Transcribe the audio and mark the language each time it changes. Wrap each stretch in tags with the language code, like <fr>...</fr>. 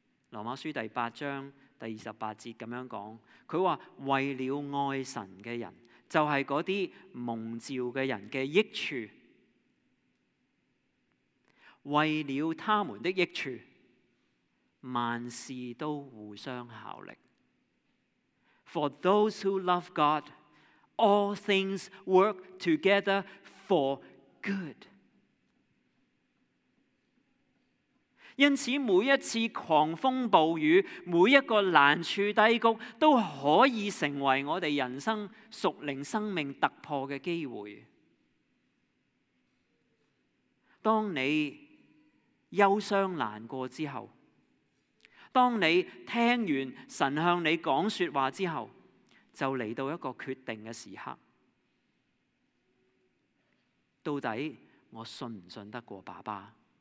<zh>罗马书第八章第二十八节这样说，他说为了爱神的人，就是那些蒙召的人的益处，为了他们的益处，万事都互相效力。</zh> <en>For those who love God, all things work together for good.</en> <zh>因此每一次狂风暴雨，每一个难处低谷，都可以成为我们人生属灵生命突破的机会。当你忧伤难过之后，当你听完神向你讲说话之后，就来到一个决定的时刻，到底我信不信得过爸爸？</zh>